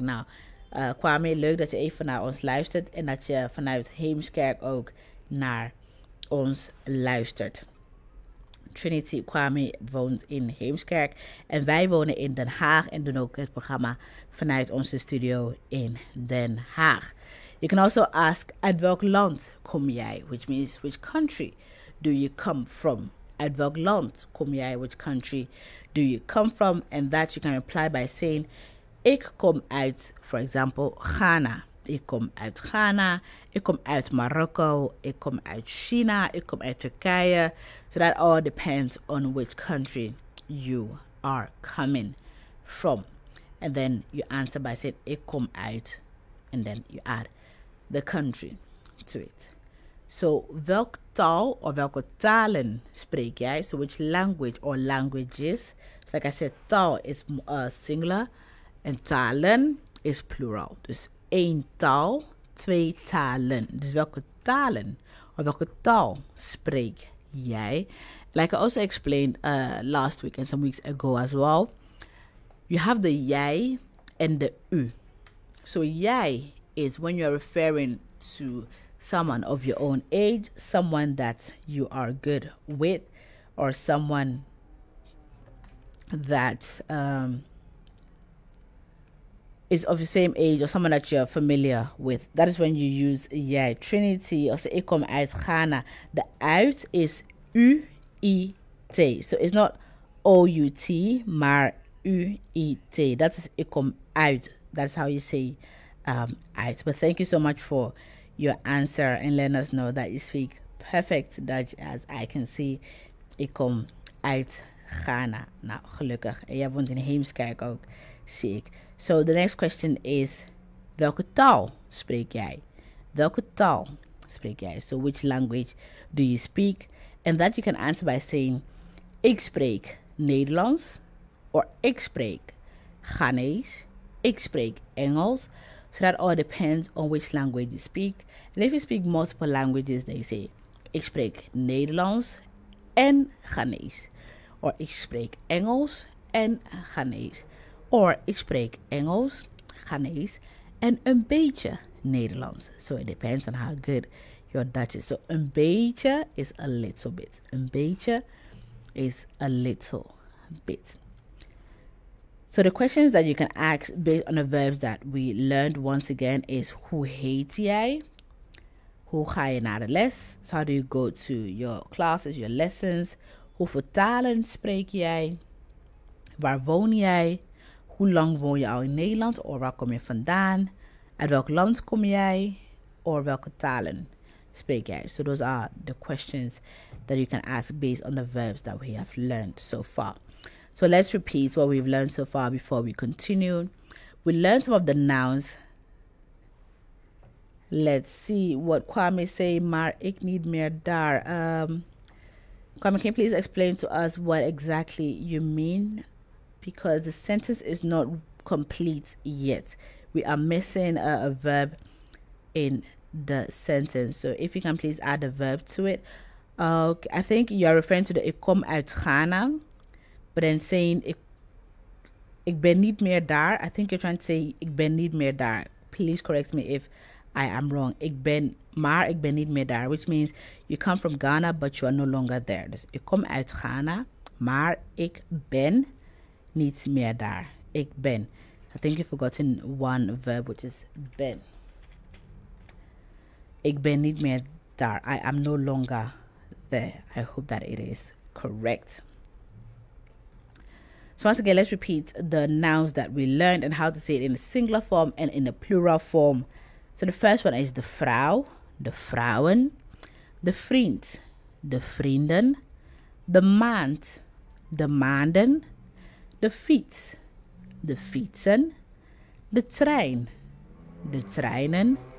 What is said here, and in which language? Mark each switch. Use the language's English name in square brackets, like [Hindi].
[Dutch] Now, Kwame, leuk dat je even naar ons luistert en dat je vanuit Heemskerk ook naar ons luistert. Trinity Kwame woont in Heemskerk en wij wonen in Den Haag en doen ook het programma vanuit onze studio in Den Haag. [English] You can also ask, [Dutch] uit welk land kom jij? [English] Which means, which country do you come from? [Dutch] Uit welk land kom jij? [English] Which country do you come from? And that you can reply by saying, [Dutch] ik kom uit, [English] for example, Ghana. [Dutch] Ik kom uit Ghana. Ik kom uit Marokko. Ik kom uit China. Ik kom uit Turkije. [English] So that all depends on which country you are coming from. And then you answer by saying, [Dutch] ik kom uit. [English] And then you add the country to it. [Dutch] So, welk taal of welke talen spreek jij? [English] So, which language or languages? So, like I said, taal is singular. [Dutch] En talen is plural. Dus 1 taal, 2 talen. Dus welke talen of welke taal spreek jij? [English] Like I also explained last week and some weeks ago as well. You have the jij and the u. So jij is when you're referring to someone of your own age. Someone that you are good with. Or someone that is of the same age or someone that you're familiar with. That is when you use jij. [Dutch] Trinity, [English] or say, [Dutch] ik kom uit Ghana. [English] The uit is U-I-T. So it's not O-U-T, maar U-I-T. That is [Dutch] ik kom uit. [English] That's how you say uit. But thank you so much for your answer and let us know that you speak perfect Dutch, as I can see [Dutch] ik kom uit Ghana. Nou, gelukkig. En jij woont in Heemskerk ook, zie ik. [English] So the next question is, [Dutch] welke taal spreek jij? Welke taal spreek jij? [English] So which language do you speak? And that you can answer by saying, [Dutch] ik spreek Nederlands, [English] or [Dutch] ik spreek Ghanees, ik spreek Engels. [English] So that all depends on which language you speak. And if you speak multiple languages, then you say, [Dutch] ik spreek Nederlands en Ghanees. Or ik spreek Engels en Ghanees. Or ik spreek Engels, Ghanees en een beetje Nederlands. [English] So it depends on how good your Dutch is. So [Dutch] een beetje [English] is a little bit. [Dutch] Een beetje [English] is a little bit. So the questions that you can ask based on the verbs that we learned once again is [Dutch] hoe heet jij? Hoe ga je naar de les? [English] So how do you go to your classes, your lessons? [Dutch] Hoeveel talen spreek jij? Waar woon jij? Hoe lang woon je al in Nederland? Of waar kom je vandaan? Uit welk land kom jij? Of welke talen spreek jij? [English] So those are the questions that you can ask based on the verbs that we have learned so far. So let's repeat what we've learned so far before we continue. We learned some of the nouns. Let's see what Kwame say. [Dutch] Maar ik niet meer daar. [English] Kwame, can you please explain to us what exactly you mean? Because the sentence is not complete yet. We are missing a verb in the sentence. So if you can please add a verb to it. Okay, I think you're referring to the [Dutch] ik kom uit Ghana. [English] But then saying [Dutch] ik ben niet meer daar. [English] I think you're trying to say [Dutch] ik ben niet meer daar. [English] Please correct me if I am wrong. [Dutch] Ik ben niet meer daar. [English] Which means you come from Ghana, but you are no longer there. [Dutch] Dus ik kom uit Ghana, maar ik ben niet meer daar. Ik ben. [English] I think you've forgotten one verb, which is ben. [Dutch] Ik ben niet meer daar. [English] I am no longer there. I hope that it is correct. So once again, let's repeat the nouns that we learned and how to say it in a singular form and in a plural form. So the first one is [Dutch] de vrouw, de vrouwen. De vriend, de vrienden. De maand, de maanden. De fiets, de fietsen. De trein, de treinen.